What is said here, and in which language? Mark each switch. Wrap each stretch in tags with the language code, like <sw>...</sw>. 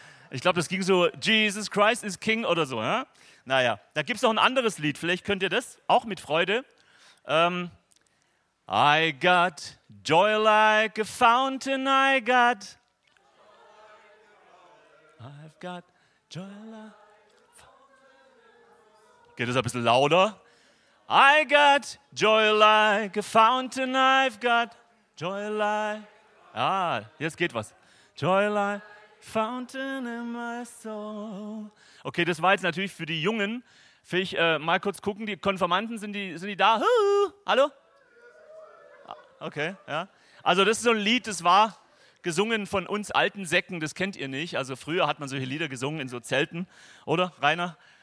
<de>Ich glaube, das ging so,</de> <en>Jesus Christ is King</en> <de>oder so. Hä? Naja, da gibt es noch ein anderes Lied. Vielleicht könnt ihr das auch mit Freude.</de> <en>I got joy like a fountain, I got. I've got joy like.</en> <de>Geht das ein bisschen lauter?</de> <en>I got joy like a fountain, I've got joy like.</en> <de>Ah, jetzt geht was.</de> <en>Joy like fountain in my soul.</en> <de>Okay, das war jetzt natürlich für die Jungen. Will ich mal kurz gucken, die Konfirmanden, sind die da? Hallo? Okay, ja. Also das ist so ein Lied, das war gesungen von uns alten Säcken, das kennt ihr nicht. Also früher hat man solche Lieder gesungen in so Zelten, oder Rainer?</de>